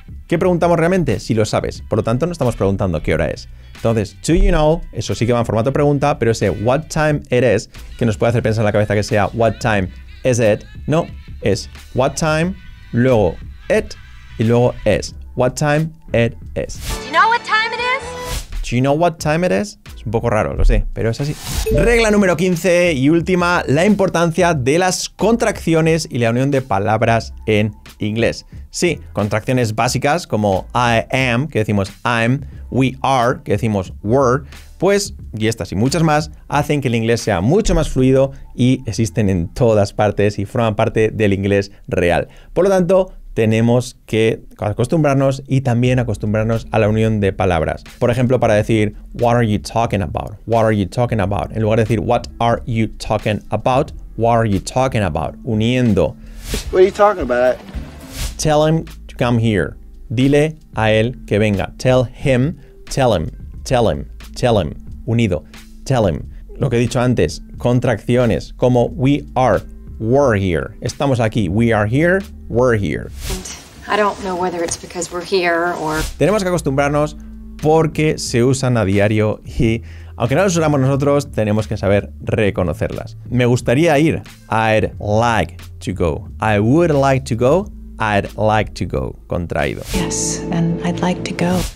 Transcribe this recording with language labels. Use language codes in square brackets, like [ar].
[es] ¿Qué preguntamos realmente? Si lo sabes. Por lo tanto, no estamos preguntando qué hora es. Entonces, [en] do you know, [es] eso sí que va en formato pregunta, pero ese [en] what time it is, [es] que nos puede hacer pensar en la cabeza que sea [en] what time is it, [es] no, es what time, luego it y luego is. [en] What time it is. Do you know what time it is? Do you know what time it is? [es] Es un poco raro, lo sé, pero es así. Regla número 15 y última, la importancia de las contracciones y la unión de palabras en inglés. Sí, contracciones básicas como I am, que decimos I'm, we are, que decimos were, pues, y estas y muchas más, hacen que el inglés sea mucho más fluido y existen en todas partes y forman parte del inglés real. Por lo tanto, tenemos que acostumbrarnos y también acostumbrarnos a la unión de palabras. Por ejemplo, para decir, [en] what are you talking about? What are you talking about? [es] En lugar de decir, [en] what are you talking about? What are you talking about? [es] Uniendo. [en] What are you talking about? Tell him to come here. [es] Dile a él que venga. [en] Tell him, tell him, tell him, tell him. [es] Unido. [en] Tell him. [es] Lo que he dicho antes, contracciones como [en] we are. We're here. [es] Estamos aquí. [en] We are here. We're here. I don't know whether it's because we're here or... [es] Tenemos que acostumbrarnos porque se usan a diario y, aunque no las usamos nosotros, tenemos que saber reconocerlas. Me gustaría ir. [en] I'd like to go. I would like to go. I'd like to go. [es] Contraído. [en] Yes, and I'd like to go.